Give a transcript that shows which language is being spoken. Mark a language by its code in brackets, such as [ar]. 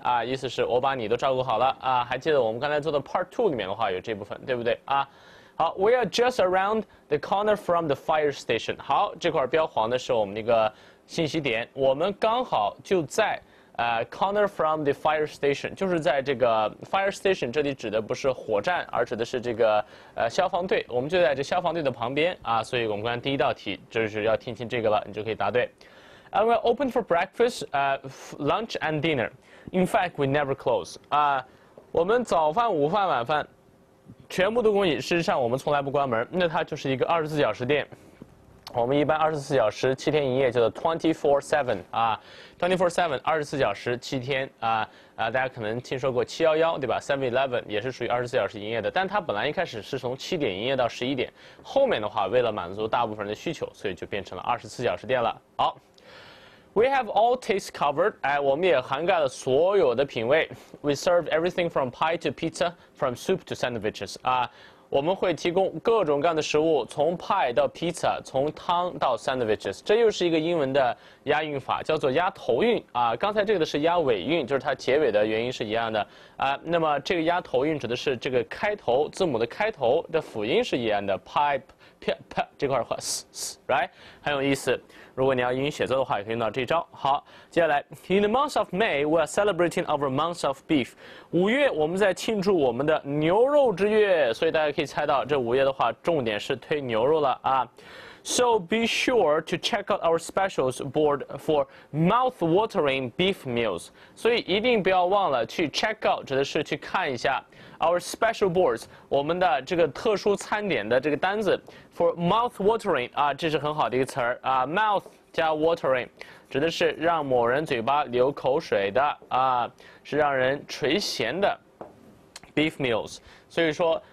[zh] 啊，意思是我把你都照顾好了。啊，还记得我们刚才做的 part two 里面的话有这部分，对不对啊？ [en] 好 ，We are just around the corner from the fire station. [zh] 好，这块标黄的是我们那个。信息点，我们刚好就在 [en] corner from the fire station， [zh] 就是在这个 fire station， 这里指的不是火站，而指的是这个消防队，我们就在这消防队的旁边啊，所以我们刚才第一道题就是要听清这个了，你就可以答对。 [en] And we're open for breakfast, lunch and dinner. In fact, we never close. [zh] 啊，我们早饭、午饭、晚饭全部都供应，事实上我们从来不关门，那它就是一个二十四小时店。我们一般二十四小时七天营业叫做 24/7 啊 ，24/7 二十四小时七天啊大家可能听说过711对吧 ？7-Eleven 也是属于二十四小时营业的，但它本来一开始是从七点营业到十一点，后面的话为了满足大部分人的需求，所以就变成了二十四小时店了。好 ， [en] We have all tastes covered， [zh] 哎，我们也涵盖了所有的品味。 [en] We serve everything from pie to pizza, from soup to sandwiches 啊。 [zh] 我们会提供各种各样的食物，从派到 pizza， 从汤到 sandwiches， 这又是一个英文的押韵法，叫做押头韵啊。刚才这个的是押尾韵，就是它结尾的原因是一样的啊。那么这个押头韵指的是这个开头字母的开头的辅音是一样的 ，pipe 这块话 ，right 很有意思。如果你要英语写作的话，也可以用到这招。好，接下来 [en] ，In the month of May, we are celebrating our month of beef. [zh] 五月，我们在庆祝我们的牛肉之月，所以大家可以猜到，这五月的话，重点是推牛肉了啊。 [en] So be sure to check out our specials board for mouth-watering beef meals. [zh] 所以一定不要忘了去 [en] check out， [zh] 指的是去看一下 [en] our special boards， [zh] 我们的这个特殊餐点的这个单子 [en] for mouth-watering [zh] 啊，这是很好的一个词儿啊 ，mouth 加 watering， 指的是让某人嘴巴流口水的啊，是让人垂涎的 beef meals。所以说。